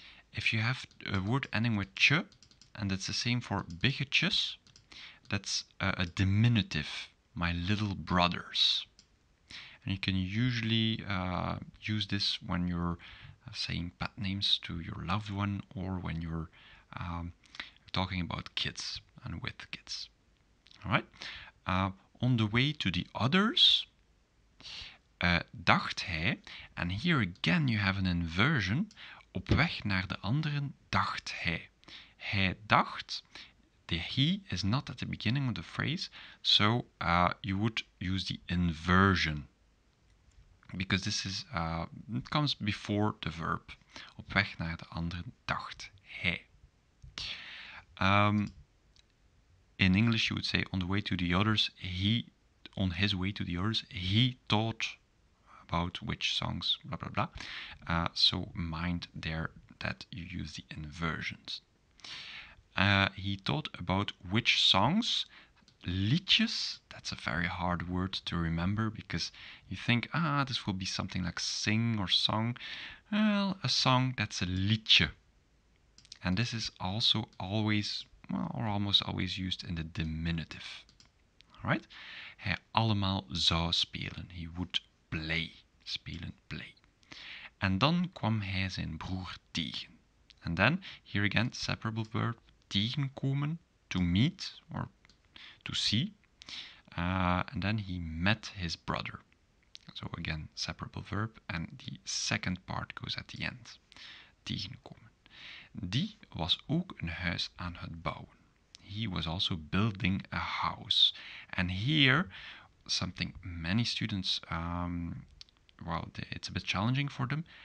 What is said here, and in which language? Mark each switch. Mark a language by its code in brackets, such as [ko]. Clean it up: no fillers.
[en] If you have a word ending with tje, and it's the same for biggetjes, that's a diminutive, my little brothers. And you can usually use this when you're saying pet names to your loved one or when you're talking about kids and with kids. Alright? On the way to the others, [nl] dacht hij, [en] and here again you have an inversion, [nl] op weg naar de anderen dacht hij. [en] Hij dacht, the he is not at the beginning of the phrase, so you would use the inversion. Because this is it comes before the verb. [nl] Op weg naar de anderen dacht hij. [en] In English you would say on the way to the others, on his way to the others, he thought about which songs, blah blah blah. So mind there that you use the inversions. He thought about which songs. Liedjes, that's a very hard word to remember because you think, this will be something like sing or song. Well, a song, that's a liedje. And this is also always, or almost always used in the diminutive. All right? [nl] Hij allemaal zou spelen. [en] He would play. [nl] Spelen, [en] play. [nl] En dan kwam hij zijn broer tegen. [en] And then, here again, separable verb, tegenkomen, to meet, or to see, and then he met his brother. So again, separable verb, and the second part goes at the end. [nl] Tegenkomen. Die was ook een huis aan het bouwen. [en] He was also building a house. And here, something many students, it's a bit challenging for them.